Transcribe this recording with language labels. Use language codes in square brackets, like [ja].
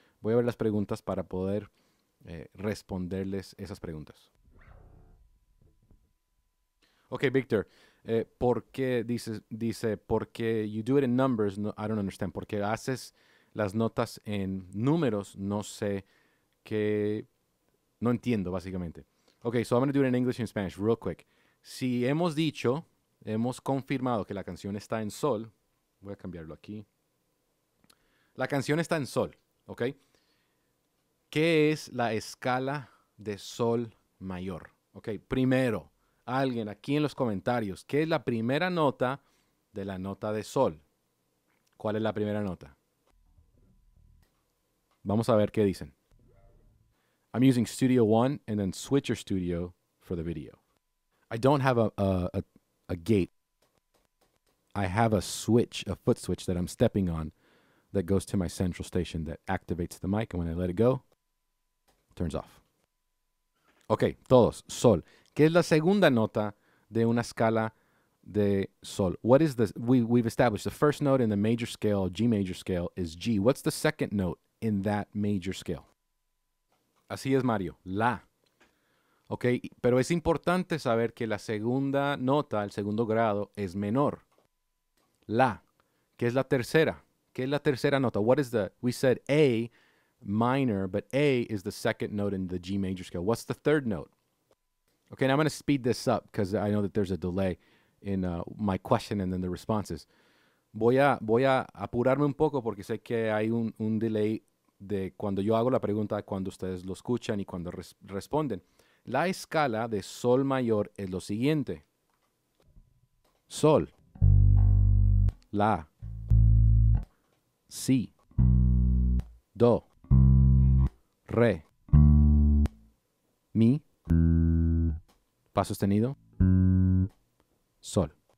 [es] Voy a ver las preguntas para poder responderles esas preguntas. [en] Ok, Victor, [es] ¿por qué dice, porque [en] you do it in numbers, no, I don't understand. [es] Porque haces las notas en números, no sé qué, no entiendo, básicamente. [en] Ok, so I'm going to do it in English and Spanish real quick. [es] Si hemos dicho, hemos confirmado que la canción está en sol, voy a cambiarlo aquí. La canción está en sol, ¿ok? ¿Qué es la escala de sol mayor? Ok, primero, alguien aquí en los comentarios, ¿qué es la primera nota de la nota de sol? ¿Cuál es la primera nota? Vamos a ver qué dicen. [en] I'm using Studio One and then Switcher Studio for the video. I don't have a gate. I have a switch, a foot switch that I'm stepping on that goes to my central station that activates the mic, and when I let it go, it turns off. [es] Okay, todos, sol. ¿Qué es la segunda nota de una escala de sol? [en] What is this? We've established the first note in the major scale, G major scale, is G. What's the second note in that major scale? [es] Así es, Mario. La. Ok, pero es importante saber que la segunda nota, el segundo grado, es menor. La, que es la tercera. ¿Qué es la tercera nota? [en] What is the, we said A minor, but A is the second note in the G major scale. What's the third note? Ok, now I'm going to speed this up because I know that there's a delay in my question and then the responses. [es] Voy a apurarme un poco porque sé que hay un delay de cuando yo hago la pregunta, cuando ustedes lo escuchan y cuando responden. La escala de sol mayor es lo siguiente. Sol. La. Si. Do. Re. Mi. Fa sostenido. Sol.